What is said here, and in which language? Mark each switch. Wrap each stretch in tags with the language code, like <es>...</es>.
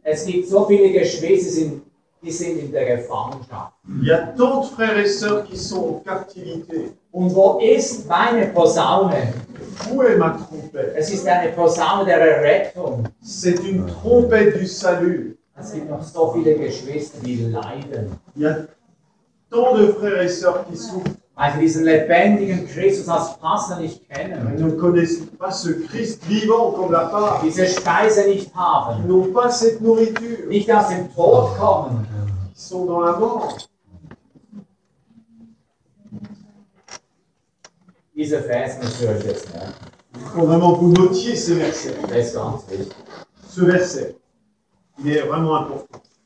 <de>Es gibt so viele Geschwister, die sind in der Gefangenschaft.</de> <fr>Il y a tant de frères et sœurs qui sont en captivité.</fr> <de>Und wo ist meine Posaune?</de> <fr>Où est ma trompette?</fr> <de>Es ist eine Posaune der Errettung.</de> <fr>C'est une trompette du salut.</fr> <de>Es gibt noch so viele Geschwister, die leiden.</de> <fr>Il y a tant de frères et sœurs qui souffrent.</fr> <de>Also diesen lebendigen Christus als Passer nicht kennen.</de> <fr>Ils ne connaissent pas ce Christ vivant comme la part.</fr> <de>Diese Speise nicht haben.</de> <fr>Ils n'ont pas cette nourriture.</fr> <de>Nicht aus dem Tod kommen.</de> <fr>Ils sont dans la mort.</fr> <de>Diese Verse müssen wir jetzt lernen.</de> <fr>Il faut vraiment que vous notiez ces versets.</fr> <de>Das ist ganz wichtig.</de> <fr>Ce verset, il est vraiment important.</fr>